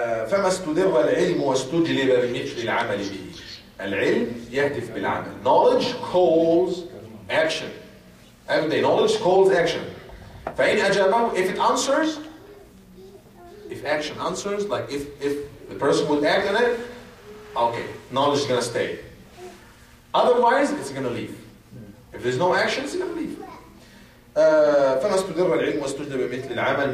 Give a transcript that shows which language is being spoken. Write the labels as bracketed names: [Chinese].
[Arabic] فما استدر العلم واستجلب بمثل العمل به. العلم يهدف بالعمل. [English] Knowledge calls action. Everyday knowledge calls action. [Arabic] فإن أجابه, [English] if it answers, if action answers, like if the person would act on it, okay, knowledge is going to stay. Otherwise, it's going to leave. If there's no action, it's going to leave. [Arabic] فما استدر العلم واستجد بمثل العمل.